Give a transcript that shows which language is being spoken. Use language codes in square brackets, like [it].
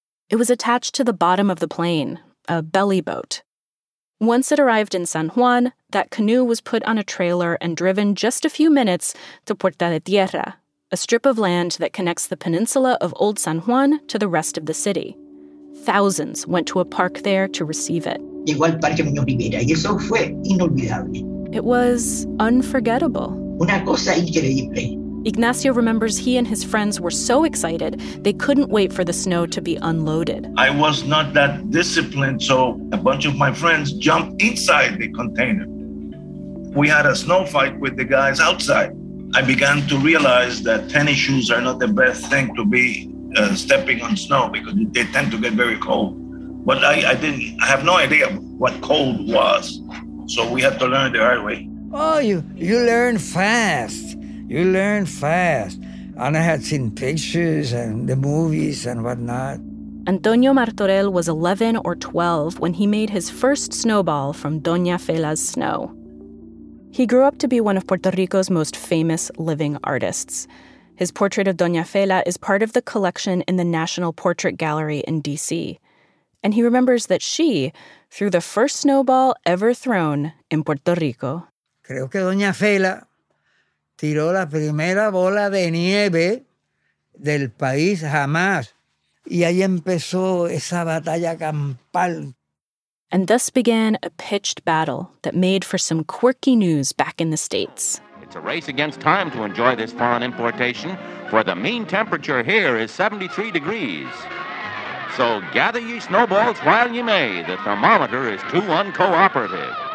[en] It was attached to the bottom of the plane, a belly boat. Once it arrived in San Juan, that canoe was put on a trailer and driven just a few minutes to Puerta de Tierra, a strip of land that connects the peninsula of Old San Juan to the rest of the city. Thousands went to a park there to receive it. [es] Llegó al Parque Muñoz Rivera, y eso fue inolvidable. [en] It was unforgettable. [es] Una cosa increíble. [en] Ignacio remembers he and his friends were so excited, they couldn't wait for the snow to be unloaded. I was not that disciplined, so a bunch of my friends jumped inside the container. We had a snow fight with the guys outside. I began to realize that tennis shoes are not the best thing to be stepping on snow because they tend to get very cold. But I have no idea what cold was. So we had to learn the hard way. Oh, you learn fast. You learn fast. And I had seen pictures and the movies and whatnot. Antonio Martorell was 11 or 12 when he made his first snowball from Doña Fela's snow. He grew up to be one of Puerto Rico's most famous living artists. His portrait of Doña Fela is part of the collection in the National Portrait Gallery in D.C. And he remembers that she threw the first snowball ever thrown in Puerto Rico. [es] Creo que Doña Fela tiró la primera bola de nieve del país jamás. Y ahí empezó esa batalla campal. [en] And thus began a pitched battle that made for some quirky news back in the States. It's a race against time to enjoy this foreign importation, for the mean temperature here is 73 degrees. So gather ye snowballs while ye may. The thermometer is too uncooperative.